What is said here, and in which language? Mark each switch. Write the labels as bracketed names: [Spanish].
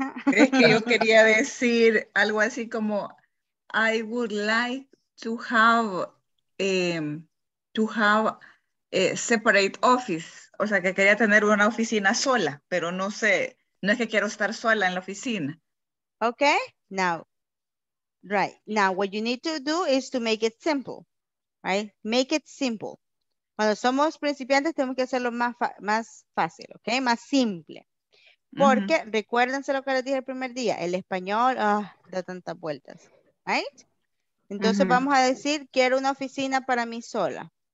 [Spanish] Es que yo quería decir algo así como [English] I would like to have a separate office. [Spanish] O sea, que quería tener una oficina sola, pero no sé. No es que quiero estar sola en la oficina. [English] Okay, now. Right, now what you need to do is to make it simple, right? Make it simple. [Spanish] Cuando somos principiantes tenemos que hacerlo más, más fácil, okay? Más simple. Porque, mm-hmm. recuérdense lo que les dije el primer día, el español da tantas vueltas, right? Entonces mm-hmm. vamos a decir, quiero una oficina para mí sola.